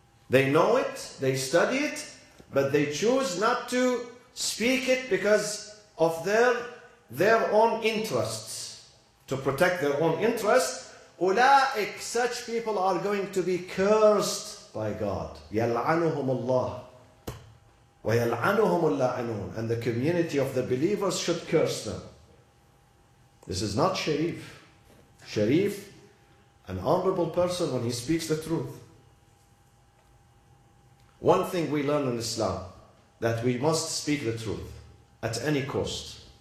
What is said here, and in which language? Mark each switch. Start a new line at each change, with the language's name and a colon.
English: They know it, they study it, but they choose not to speak it because of their own interests. To protect their own interests,
Arabic: أولئك,
English: such people are going to be cursed by God.
Arabic: يلعنهم الله ويلعنهم اللاعنون.
English: And the community of the believers should curse them. This is not Sharif. Sharif, an honorable person when he speaks the truth. One thing we learn in Islam, that we must speak the truth at any cost.